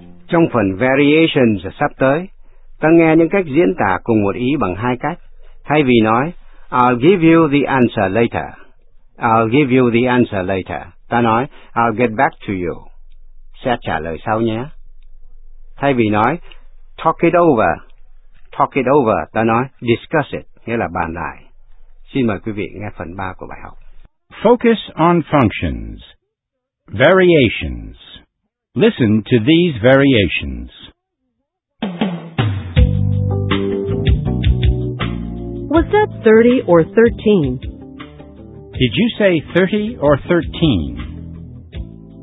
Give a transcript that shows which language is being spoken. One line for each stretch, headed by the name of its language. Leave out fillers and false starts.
Vietnamese: Trong phần Variations sắp tới, ta nghe những cách diễn tả cùng một ý bằng hai cách. Thay vì nói,
English: I'll give you the answer later. I'll give you the answer later.
Vietnamese: Ta nói,
English: I'll get back to you.
Vietnamese: Sẽ trả lời sau nhé. Thay vì nói, talk it over, ta nói, discuss it, nghĩa là bàn lại. Xin mời quý vị nghe phần 3 của bài học.
English: Focus on functions. Variations. Listen to these variations. Was that 30 or 13? Did you say 30 or 13?